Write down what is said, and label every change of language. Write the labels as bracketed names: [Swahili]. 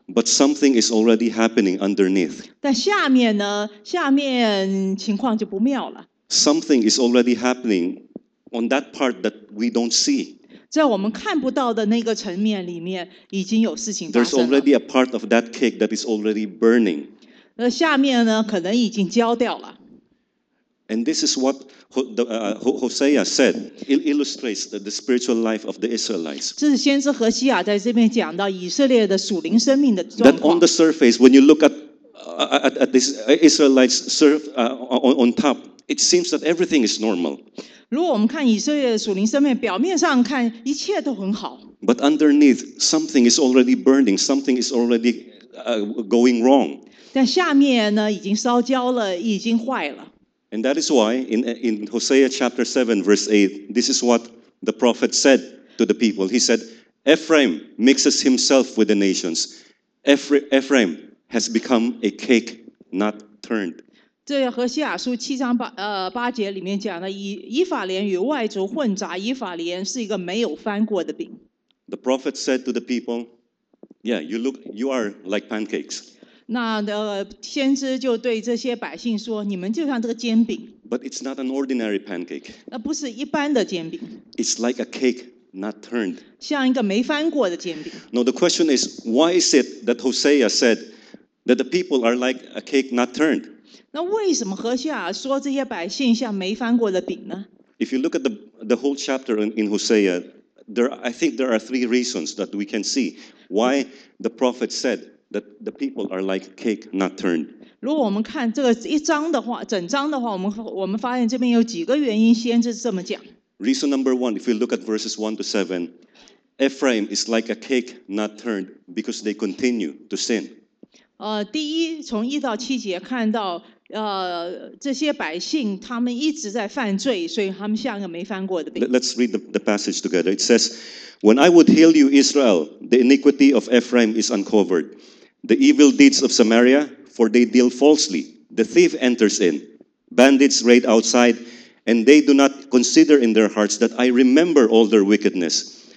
[English] But something is already happening underneath. [Chinese] 但下面呢，下面情况就不妙了。 [English] Something is already happening on that part that we don't see. [Chinese] 在我们看不到的那个层面里面，已经有事情发生了。 [English] There's already a part of that cake that is already burning. [Chinese] 那下面呢，可能已经焦掉了。 [English] And this is what Hosea said. It illustrates the spiritual life of the Israelites. [Chinese] 这是先知何西亚在这边讲到以色列的属灵生命的状况。 [English] That on the surface, when you look at this Israelites serve on top, it seems that everything is normal. [Chinese] 如果我们看以色列的属灵生命，表面上看一切都很好。 [English] But underneath, something is already burning. Something is already going wrong. [Chinese] 但下面呢，已经烧焦了，已经坏了。 [English] And that is why in Hosea chapter 7, verse 8, this is what the prophet said to the people. He said, Ephraim mixes himself with the nations. Ephraim has become a cake not turned. [Chinese] 这何西雅书七章八节里面讲的，以法莲与外族混杂，以法莲是一个没有翻过的饼。 [English] The prophet said to the people, yeah, you are like pancakes. [Chinese] 那先知就对这些百姓说：“你们就像这个煎饼。” [English] But it's not an ordinary pancake. [Chinese] 那不是一般的煎饼。 [English] It's like a cake not turned. [Chinese] 像一个没翻过的煎饼。 [English] No, the question is, why is it that Hosea said that the people are like a cake not turned? [Chinese] 那为什么何西雅说这些百姓像没翻过的饼呢？ [English] If you look at the whole chapter in Hosea, I think there are three reasons that we can see why the prophet said. That the people are like cake not turned. [Chinese] 如果我们看这个一章的话，整章的话，我们发现这边有几个原因，先知这么讲。 [English] Reason number one, if we look at verses 1-7, Ephraim is like a cake not turned because they continue to sin. [Chinese] 第一，从一到七节看到，这些百姓他们一直在犯罪，所以他们像个没翻过的饼。 [English] Let's read the passage together. It says, "When I would heal you, Israel, the iniquity of Ephraim is uncovered." The evil deeds of Samaria, for they deal falsely. The thief enters in. Bandits raid outside, and they do not consider in their hearts that I remember all their wickedness.